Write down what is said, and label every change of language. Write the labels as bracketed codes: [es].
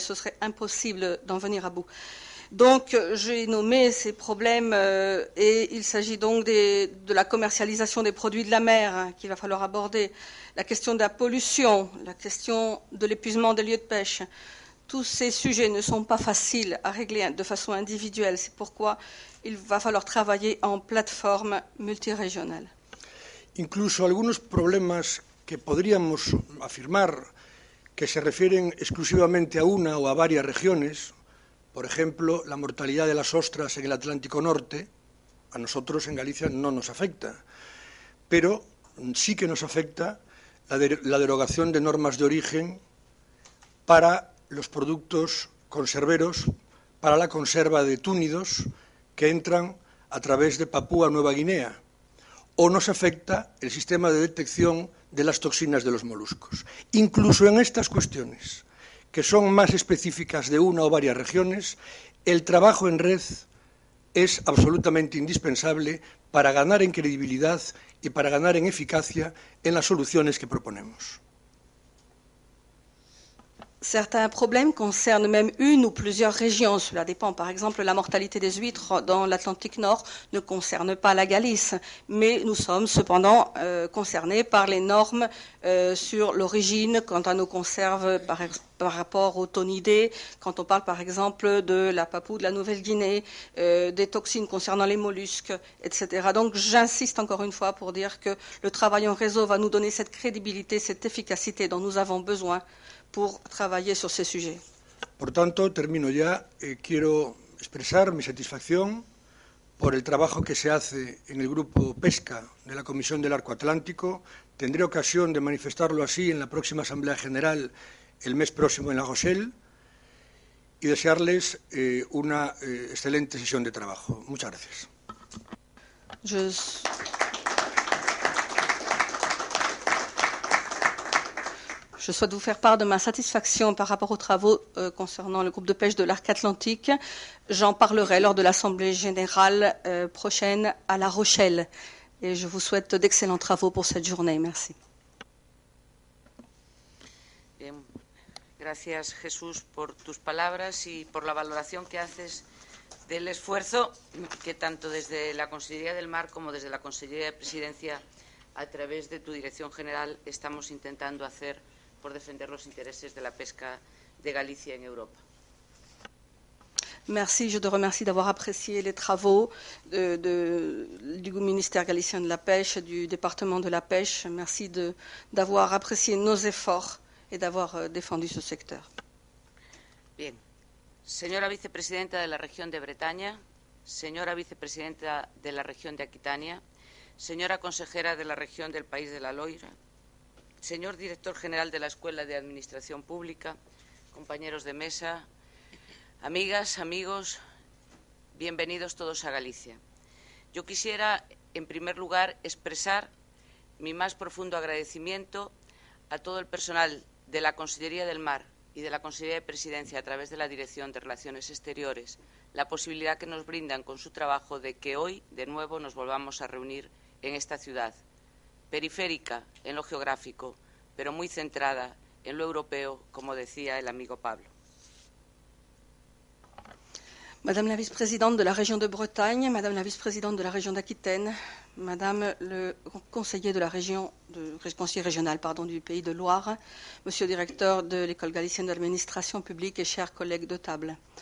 [fr] Ce serait impossible d'en venir à bout. Donc, j'ai nommé ces problèmes et il s'agit donc de la commercialisation des produits de la mer qu'il va falloir aborder, la question de la pollution, la question de l'épuisement des lieux de pêche. Tous ces sujets ne sont pas faciles à régler de façon individuelle. C'est pourquoi il va falloir travailler en plateforme multirégionale. [es] Incluso algunos problemas que podríamos afirmar que se refieren exclusivamente a una o a varias regiones, por ejemplo, la mortalidad de las ostras en el Atlántico Norte, a nosotros en Galicia no nos afecta, pero sí que nos afecta la derogación de normas de origen para los productos conserveros, para la conserva de túnidos que entran a través de Papúa Nueva Guinea, o nos afecta el sistema de detección de las toxinas de los moluscos. Incluso en estas cuestiones, que son más específicas de una o varias regiones, el trabajo en red es absolutamente indispensable para ganar en credibilidad y para ganar en eficacia en las soluciones que proponemos. [fr] Certains problèmes concernent même une ou plusieurs régions, cela dépend. Par exemple, la mortalité des huîtres dans l'Atlantique Nord ne concerne pas la Galice, mais nous sommes cependant concernés par les normes sur l'origine quant à nos conserves par rapport aux tonidés, quand on parle par exemple de la Papoue de la Nouvelle-Guinée, des toxines concernant les mollusques, etc. Donc j'insiste encore une fois pour dire que le travail en réseau va nous donner cette crédibilité, cette efficacité dont nous avons besoin pour travailler sur ces sujets. [es] Por tanto, termino ya. Quiero expresar mi satisfacción por el trabajo que se hace en el grupo Pesca de la Comisión del Arco Atlántico. Tendré ocasión de manifestarlo así en la próxima Asamblea General el mes próximo en La Rochelle y desearles una excelente sesión de trabajo. Muchas gracias. [en] Just... [fr] Je souhaite vous faire part de ma satisfaction par rapport aux travaux concernant le groupe de pêche de l'arc atlantique. J'en parlerai lors de l'Assemblée générale prochaine à La Rochelle. Et je vous souhaite d'excellents travaux pour cette journée. Merci. Bien. [es] Gracias, Jesús, por tus palabras y por la valoración que haces del esfuerzo que tanto desde la Consejería del Mar como desde la Consejería de Presidencia, a través de tu dirección general, estamos intentando hacer por defender los intereses de la pesca de Galicia en Europa. [fr] Merci, je te remercie d'avoir apprécié les travaux du ministère galicien de la pêche, du département de la pêche. Merci d'avoir apprécié nos efforts et d'avoir défendu ce secteur. Bien. [es] Señora vicepresidenta de la región de Bretaña, señora vicepresidenta de la región de Aquitania, señora consejera de la región del País de la Loira, señor director general de la Escuela de Administración Pública, compañeros de mesa, amigas, amigos, bienvenidos todos a Galicia. Yo quisiera, en primer lugar, expresar mi más profundo agradecimiento a todo el personal de la Consellería del Mar y de la Consellería de Presidencia a través de la Dirección de Relaciones Exteriores, la posibilidad que nos brindan con su trabajo de que hoy, de nuevo, nos volvamos a reunir en esta ciudad, periférica en lo geográfico, pero muy centrada en lo europeo, como decía el amigo Pablo. [fr] Madame la vice-présidente de la région de Bretagne, madame la vice-présidente de la région d'Aquitaine, madame le conseiller de la région, conseiller régional, pardon, du pays de Loire, monsieur le directeur de l'École galicienne d'administration publique et chers collègues de table.